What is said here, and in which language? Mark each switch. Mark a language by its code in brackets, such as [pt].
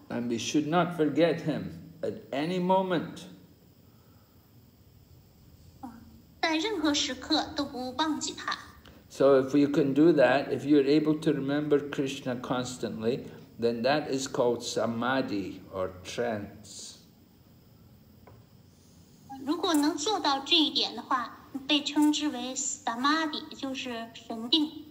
[en] And we should not forget him at any moment. [zh] 在任何时刻都不忘记他。 [en] So if you can do that, if you're able to remember Krishna constantly, then that is called samadhi or trance. [zh] 如果能做到这一点的话，被称之为samadhi，就是神定。